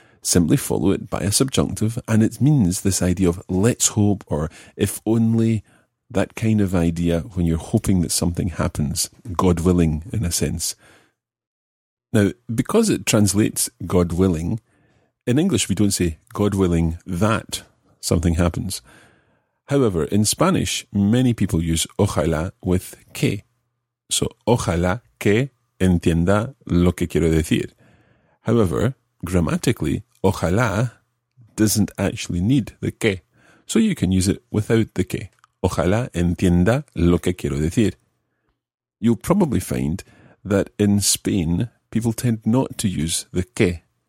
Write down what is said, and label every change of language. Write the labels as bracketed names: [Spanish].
[English] Simply follow it by a subjunctive, and it means this idea of let's hope or if only, that kind of idea when you're hoping that something happens, God willing, in a sense. Now, because it translates God willing, in English we don't say God willing that something happens. However, in Spanish, many people use ojalá with que. [Spanish] So, ojalá que entienda lo que quiero decir. [English] However, grammatically, ojalá doesn't actually need the que. So you can use it without the que. [Spanish] Ojalá entienda lo que quiero decir. [English] You'll probably find that in Spain, people tend not to use the que.